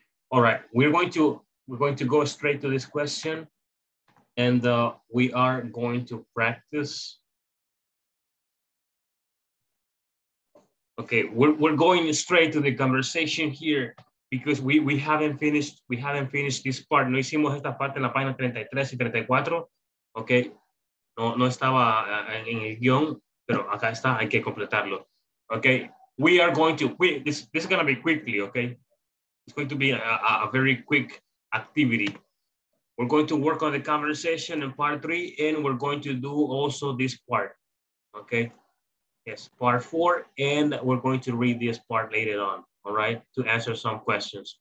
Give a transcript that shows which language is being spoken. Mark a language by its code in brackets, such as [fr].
[en] All right, we're going to go straight to this question, and we are going to practice. Okay, we're going straight to the conversation here because we haven't finished this part. [es] No hicimos esta parte en la página 33 y 34. Okay, no estaba en el guión, pero acá está, hay que completarlo. [en] Okay, we are going to this is going to be quickly, okay? It's going to be a very quick activity. We're going to work on the conversation in part three, and we're going to do also this part, okay? Yes, part four, and we're going to read this part later on, all right, to answer some questions.